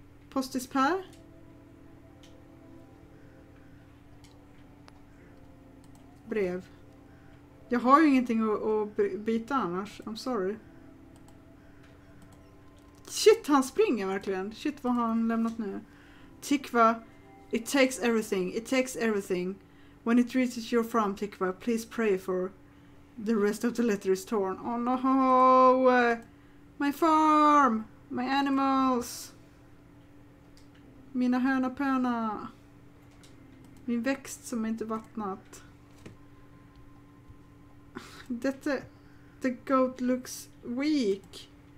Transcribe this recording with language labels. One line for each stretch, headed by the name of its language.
Swedish: Postis Per? Brev. Jag har ju ingenting att byta annars.
English: I'm sorry.
Swedish: Shit, han springer verkligen. Shit, vad har han lämnat nu?
English: Tikva, it takes everything. It takes everything. When it reaches your farm, Tikva, please pray for the rest of the letter is torn. Oh no! My farm! My animals!
Swedish: Mina hönapöna! Min växt som inte vattnat. Detta,
English: the goat looks weak.